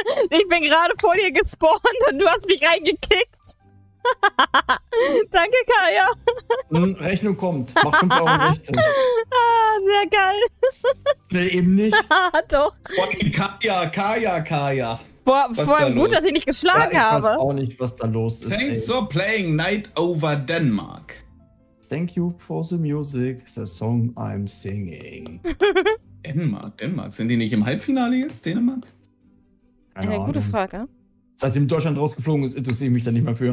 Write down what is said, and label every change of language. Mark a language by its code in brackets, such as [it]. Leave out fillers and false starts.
[de] Ich bin gerade vor dir gespawnt und du hast mich reingekickt. Danke, Kaya. Rechnung kommt. Mach 5,60 Euro. Ah, sehr geil. Nee, eben nicht. Doch. Kaya. Boah, voll gut, dass ich nicht geschlagen habe. Ich weiß auch nicht, was da los ist. [en] Thanks for playing Night Over Denmark. Thank you for the music, the song I'm singing. [de] Dänemark. Sind die nicht im Halbfinale jetzt, Dänemark? Keine Ahnung. Gute Frage. Seitdem Deutschland rausgeflogen ist, interessiere ich mich da nicht mehr für.